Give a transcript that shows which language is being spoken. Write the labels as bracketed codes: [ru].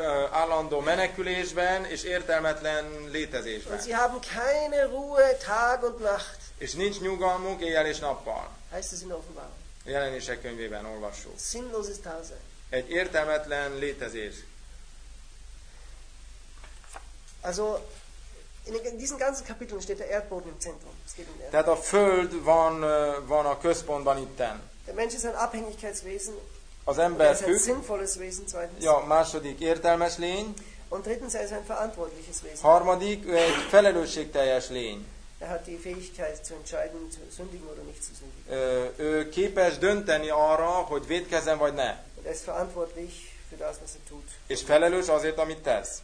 [hu] Állandó menekülésben és értelmetlen létezésben. [de] Und sie haben keine Ruhe Tag und Nacht. [hu] És nincs nyugalmuk éjjel és nappal. [de] Heißt es in Offenbarung. [hu] Jelenések könyvében olvassuk. [de] Sinnlos ist das. [hu] Egy értelmetlen létezés. [de] Also in diesen ganzen Kapiteln steht der Erdboden im Zentrum. Es geht um Erdboden. [hu] Tehát a föld van a központban itten. [de] Der Mensch ist ein Abhängigkeitswesen. [hu] Az ember [de] ein sinnvolles Wesen, zweitens. [hu] Ja, második értelmes lény. [de] Und drittens ist ein verantwortliches Wesen. [hu] Harmadik, egy felelősségteljes lény. [de] Er hat die Fähigkeit zu entscheiden, zu sündigen oder nicht zu sündigen. [hu] Ő képes dönteni arra, hogy vétkezzen vagy ne. [de] Er ist verantwortlich. Das, was er tut. [hu] És felelős azért, amit tesz.